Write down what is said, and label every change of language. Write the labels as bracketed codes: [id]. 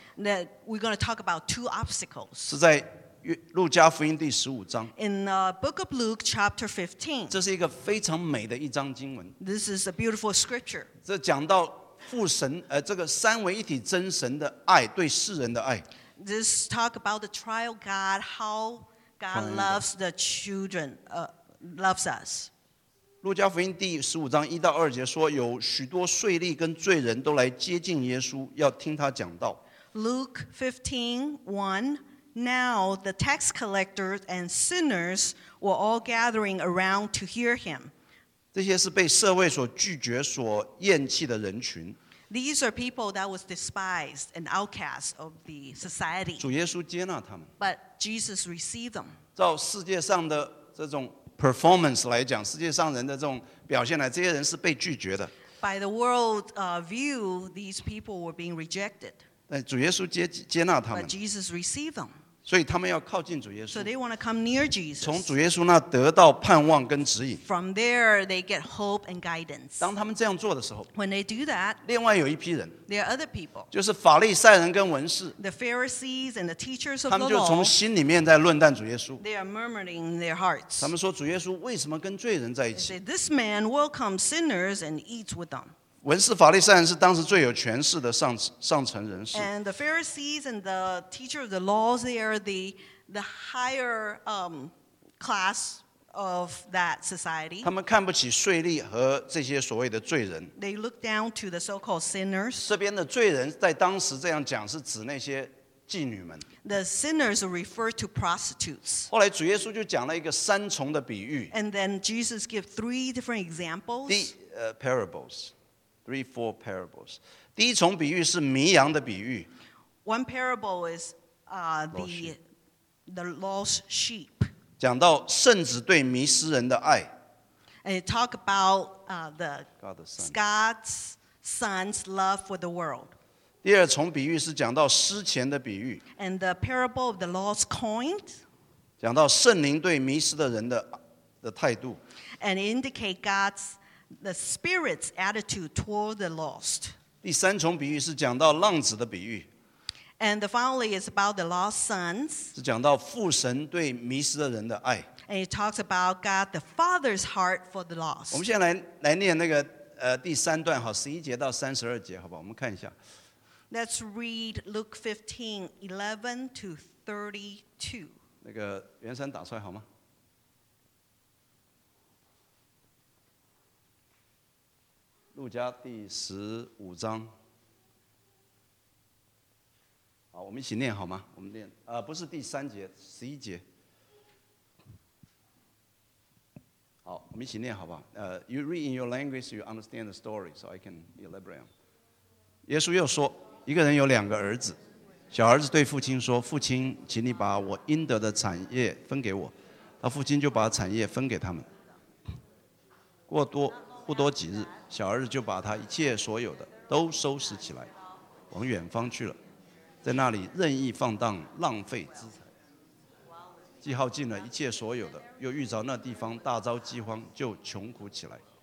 [en] That we're going to talk about two obstacles. [zh] 是在路加福音第十五章。 [en] In the book of Luke, chapter 15. [zh] 这是一个非常美的一章经文。 [en] This is a beautiful scripture. [zh] 这讲到父神，这个三位一体真神的爱，对世人的爱。 [en] This talk about the trial God, how God loves the children, loves us. [zh] 路加福音第十五章一到二节说，有许多税吏跟罪人都来接近耶稣，要听他讲道。 [en] Luke 15:1 Now the tax collectors and sinners were all gathering around to hear him. [zh] 这些是被社会所拒绝、所厌弃的人群。 [en] These are people that was despised and outcast of the society. [zh] 主耶稣接纳他们。 [en] But Jesus received them. [zh] 照世界上的这种。Performance 来讲，世界上人的这种表现来，这些人是被拒绝的。 [en] By the world view, these people were being rejected. [zh] 但主耶稣接纳他们。 [en] But Jesus received them. [zh] 所以他们要靠近主耶稣。 [en] So they want to come near Jesus. [zh] 从主耶稣那得到盼望跟指引。 [en] From there, they get hope and guidance. [zh] 当他们这样做的时候 [en] ，When they do that, [zh] 另外有一批人 [en] ，There are other people. [zh] 就是法利赛人跟文士 [en] ，The Pharisees and the teachers of the law. [zh] 他们就从心里面在论断主耶稣。 [en] They are murmuring in their hearts. [zh] 他们说主耶稣为什么跟罪人在一起 [en] ？They say this man welcomes sinners and eats with them. [zh] 文士、法利赛人是当时最有权势的上层人士。 [en] And the Pharisees and the teacher of the laws, they are the higher class of that society. [zh] 他们看不起税吏和这些所谓的罪人。 [en] They look down to the so-called sinners. [zh] 这边的罪人在当时这样讲是指那些妓女们。 [en] The sinners refer to prostitutes. [zh] 后来主耶稣就讲了一个三重的比喻。 [en] And then Jesus gave three different examples. Parables. Three, four parables. [zh] 第一重比喻是迷羊的比喻。 [en] One parable is the lost sheep. [zh] 讲到圣子对迷失人的爱。 [en] And it talk about God's son's love for the world. [zh] 第二重比喻是讲到失钱的比喻。 [en] And the parable of the lost coin. [zh] 讲到圣灵对迷失的人的态度。 [en] And indicate God's. The spirit's attitude toward the lost. [zh] 第三重比喻是讲到浪子的比喻。 [en] And the finally is about the lost sons. [zh] 是讲到父神对迷失的人的爱。 [en] And it talks about God the Father's heart for the lost. [zh] 我们现在来念那个第三段，好，十一节到三十二节，好吧？我们看一下。 [en] Let's read Luke 15:11-32. [zh] 那个原声打出来好吗？路加第十五章，好，我们一起念好吗？我们念，不是第三节，十一节。好，我们一起念好不好？ [en] You read in your language, you understand the story, so I can elaborate. [zh] 耶稣又说，一个人有两个儿子，小儿子对父亲说：“父亲，请你把我应得的产业分给我。” 他父亲就把产业分给他们。不多几日，小儿子就把他一切所有的都收拾起来，往远方去了，在那里任意放荡，浪费资财，既耗尽了一切所有的，又遇着那地方大遭饥荒，就穷苦起来。